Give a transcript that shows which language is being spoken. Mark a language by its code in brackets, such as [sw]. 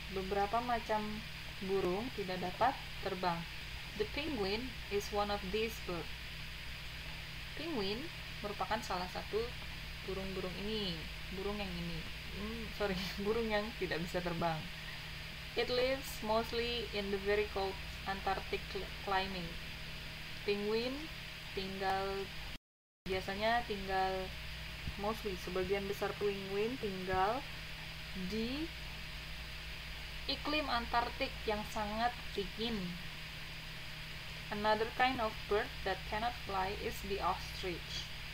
[id] Beberapa macam burung tidak dapat terbang. [en] The penguin is one of these birds. [id] Penguin merupakan salah satu burung-burung ini. Burung yang ini. Sorry, burung yang tidak bisa terbang. [en] It lives mostly in the very cold Antarctic climate. [id] Penguin tinggal biasanya tinggal [en] mostly [id] sebagian besar penguin tinggal di iklim Antartik yang sangat dingin. [en] Another kind of bird that cannot fly is the ostrich.